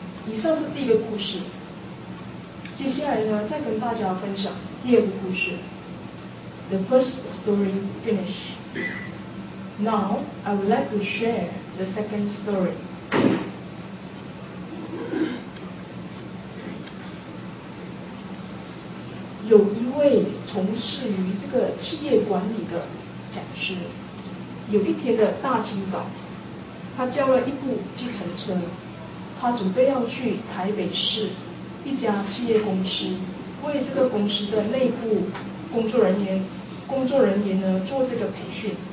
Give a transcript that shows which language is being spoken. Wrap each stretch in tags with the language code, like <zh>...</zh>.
<zh>以上是第一个故事。接下来呢，再跟大家分享第二个故事。</zh> <en>The first story finished. Now, I would like to share the second story.</en> <zh>(coughs) 有一位从事于这个企业管理的讲师，有一天的大清早，他叫了一部计程车，他准备要去台北市一家企业公司，为这个公司的内部工作人员呢做这个培训。</zh>